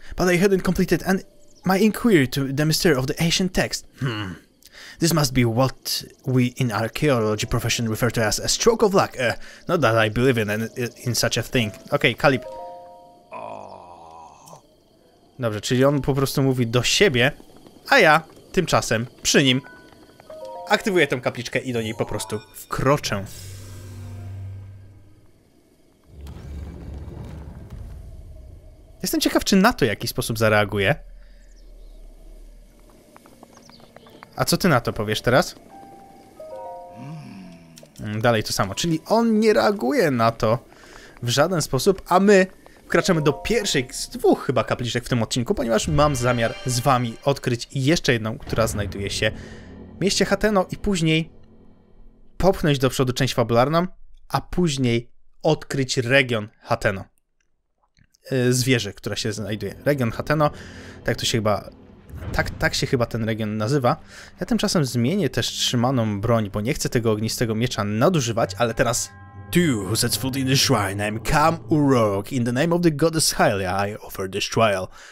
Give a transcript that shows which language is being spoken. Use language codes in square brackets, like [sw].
[en] But I hadn't completed an... my inquiry to the mystery of the ancient text. This must be what we in archaeology profession refer to as a stroke of luck. Not that I believe in such a thing. [pl] Okej, Kalip. Dobrze, czyli on po prostu mówi do siebie, a ja tymczasem przy nim aktywuję tę kapliczkę i do niej po prostu wkroczę. Jestem ciekaw, czy na to w jakiś sposób zareaguje. A co ty na to powiesz teraz? Dalej to samo, czyli on nie reaguje na to w żaden sposób, a my wkraczamy do pierwszej z dwóch chyba kapliczek w tym odcinku, ponieważ mam zamiar z wami odkryć jeszcze jedną, która znajduje się w mieście Hateno i później popchnąć do przodu część fabularną, a później odkryć region Hateno. Z wieży, która się znajduje. Region Hateno, tak to się chyba... Tak się chyba ten region nazywa. Ja tymczasem zmienię też trzymaną broń, bo nie chcę tego ognistego miecza nadużywać, ale teraz... [en] To you who sets foot in the shrine, I'm Kam Urok. In the name of the goddess Hylia, I offer this trial.